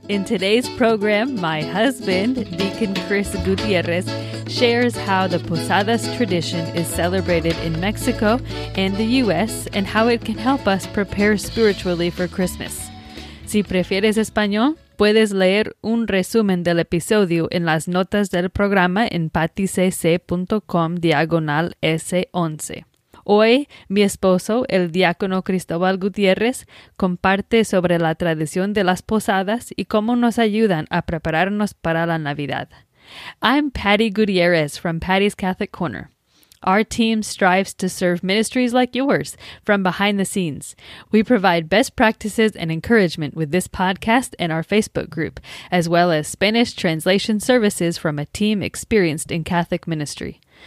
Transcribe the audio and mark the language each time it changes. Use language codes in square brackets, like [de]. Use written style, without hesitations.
[en] In today's program, my husband, Deacon Chris Gutiérrez, shares how the Posadas tradition is celebrated in Mexico and the U.S. and how it can help us prepare spiritually for Christmas. [es] Si prefieres español, puedes leer un resumen del episodio en las notas del programa en paticc.com/S11. Hoy, mi esposo, el diácono Cristóbal Gutiérrez, comparte sobre la tradición de las posadas y cómo nos ayudan a prepararnos para la Navidad. [en] I'm Patty Gutiérrez from Patty's Catholic Corner. Our team strives to serve ministries like yours from behind the scenes. We provide best practices and encouragement with this podcast and our Facebook group, as well as Spanish translation services from a team experienced in Catholic ministry.